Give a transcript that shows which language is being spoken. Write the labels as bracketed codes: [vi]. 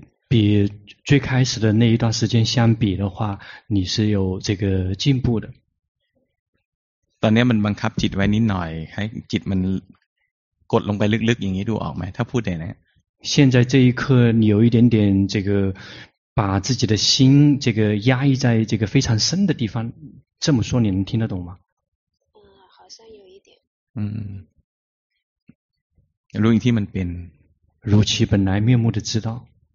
[zh] 比最开始的那一段时间相比的话你是有这个进步的。 [th] ตอนนี้มันบังคับจิตไว้นิดหน่อยให้จิตมันกดลงไปลึกๆอย่างนี้ดูออกไหมถ้าพูดได้นะ [zh] 现在这一刻你有一点点这个把自己的心这个压抑在这个非常深的地方这么说你能听得懂吗好像有一点如影听闻变如其本来面目的知道